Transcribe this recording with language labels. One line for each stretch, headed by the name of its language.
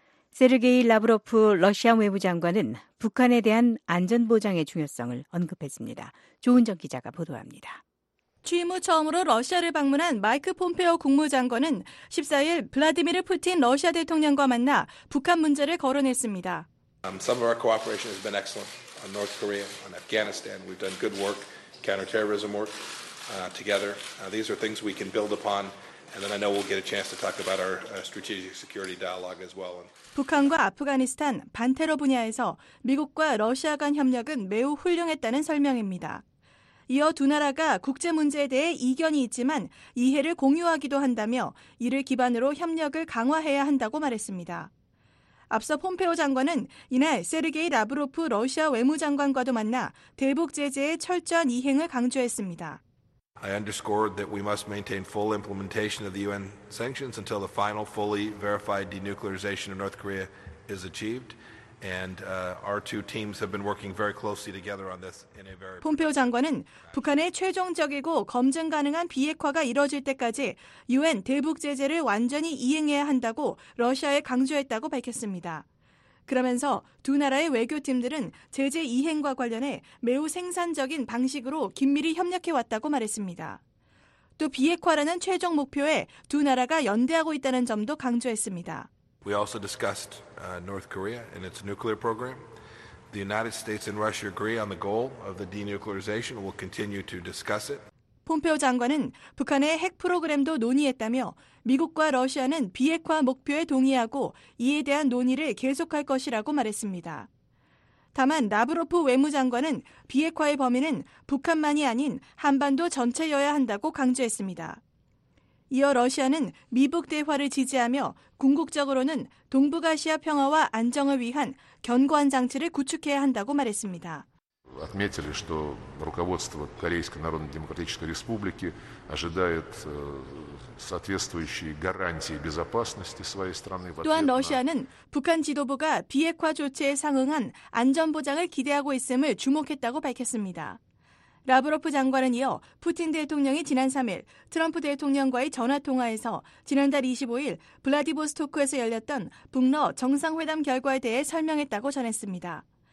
Korean: 세르게이 라브로프 러시아 외무장관은 북한에 대한 안전 보장의 중요성을 언급했습니다. 조은정 기자가 보도합니다. 취임 후 처음으로 러시아를 방문한 마이크 폼페오 국무장관은 14일 블라디미르 푸틴 러시아 대통령과 만나 북한 문제를 거론했습니다.
English: Some of our cooperation has been excellent on North Korea, on Afghanistan. We've done good work. Counterterrorism work together. These are things we can build upon, and then I know we'll get a chance to talk about our strategic security dialogue as well.
Korean: 북한과 아프가니스탄 반테러 분야에서 미국과 러시아 간 협력은 매우 훌륭했다는 설명입니다. 이어 두 나라가 국제 문제에 대해 이견이 있지만 이해를 공유하기도 한다며 이를 기반으로 협력을 강화해야 한다고 말했습니다. 앞서 폼페오 장관은 이날 세르게이 라브로프 러시아 외무장관과도 만나 대북 제재의 철저한 이행을 강조했습니다.
English: I underscored that we must maintain full implementation of the UN sanctions until the final fully verified denuclearization of North Korea is achieved. And our two teams have been working very closely together on this in a very.
Korean: 폼페오 장관은 북한의 최종적이고 검증 가능한 비핵화가 이뤄질 때까지 유엔 대북 제재를 완전히 이행해야 한다고 러시아에 강조했다고 밝혔습니다. 그러면서 두 나라의 외교 팀들은 제재 이행과 관련해 매우 생산적인 방식으로 긴밀히 협력해 왔다고 말했습니다. 또 비핵화라는 최종 목표에 두 나라가 연대하고 있다는 점도 강조했습니다.
English: We also discussed North Korea and its nuclear program. The United States and Russia agree on the goal of the denuclearization. We'll continue to discuss it.
Korean: 폼페오 장관은 북한의 핵 프로그램도 논의했다며 미국과 러시아는 비핵화 목표에 동의하고 이에 대한 논의를 계속할 것이라고 말했습니다. 다만 라브로프 외무장관은 비핵화의 범위는 북한만이 아닌 한반도 전체여야 한다고 강조했습니다. 이어 러시아는 미북 대화를 지지하며 궁극적으로는 동북아시아 평화와 안정을 위한 견고한 장치를 구축해야 한다고 말했습니다.
Russian: отметили, что руководство Корейской Народно-Демократической Республики ожидает соответствующие гарантии безопасности своей страны.
Korean: 또한 러시아는 북한 지도부가 비핵화 조치에 상응한 안전 보장을 기대하고 있음을 주목했다고 밝혔습니다. 라브로프 장관은 이어 푸틴 대통령이 지난 3일 트럼프 대통령과의 전화통화에서 지난달 25일 블라디보스토크에서 열렸던 북러 정상회담 결과에 대해 설명했다고 전했습니다.